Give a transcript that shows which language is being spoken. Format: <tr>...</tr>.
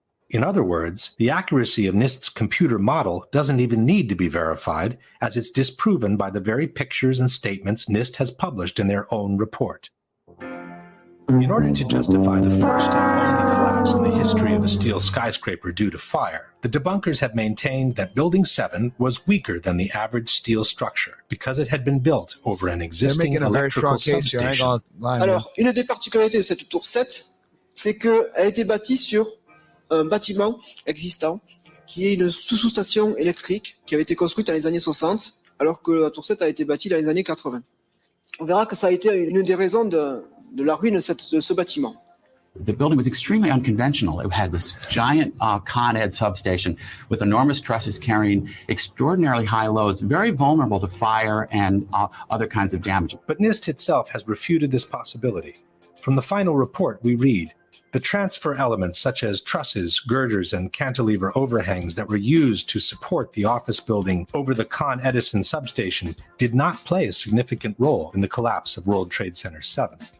<en>In other words, the accuracy of NIST's computer model doesn't even need to be verified, as it's disproven by the very pictures and statements NIST has published in their own report. In order to justify the first and only collapse in the history of a steel skyscraper due to fire, the debunkers have maintained that Building 7 was weaker than the average steel structure because it had been built over an existing electrical substation.</en> <fr>Alors, une des particularités de cette tour 7, c'est qu'elle a été bâtie sur un bâtiment existant, qui est une sous-station électrique qui avait été construite dans les années 60, alors que la tour 7 a été bâtie dans les années 80. On verra que ça a été une des raisons de la ruine de ce bâtiment.</fr> <en>The building was extremely unconventional. It had this giant Con Ed substation with enormous trusses carrying extraordinarily high loads, very vulnerable to fire and other kinds of damage. But NIST itself has refuted this possibility. From the final report, we read, the transfer elements such as trusses, girders, and cantilever overhangs that were used to support the office building over the Con Edison substation did not play a significant role in the collapse of World Trade Center 7.</en>